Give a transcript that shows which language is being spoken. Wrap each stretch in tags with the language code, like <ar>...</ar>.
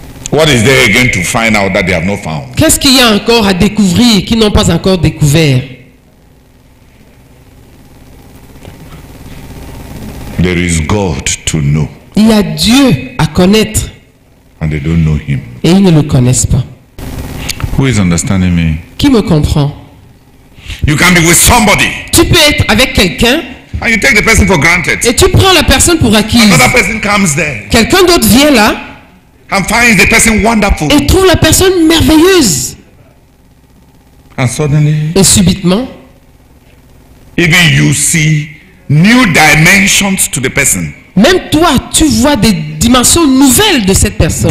<en>What is there again to find out that they have not found?</en> <fr>Qu'est-ce qu'il y a encore à découvrir qu'ils n'ont pas encore découvert?</fr> <en>There is God to know.</en> <fr>Il y a Dieu à connaître.</fr> <en>And they don't know him.</en> <fr>Et ils ne le connaissent pas.</fr> <en>Who is understanding me?</en> <fr>Qui me comprend?</fr> <en>You can be with somebody.</en> <fr>Tu peux être avec quelqu'un.</fr> <en>And you take the person for granted.</en> <fr>Et tu prends la personne pour acquise.</fr> <en>Another person comes there.</en> <fr>Quelqu'un d'autre vient là.</fr> <en>And finds the person wonderful.</en> <fr>Et trouve la personne merveilleuse.</fr> <en>And suddenly,</en> <fr>et subitement,</fr> <en>even you see new dimensions to the person.</en> <fr>Même toi, tu vois des dimensions nouvelles de cette personne.</fr>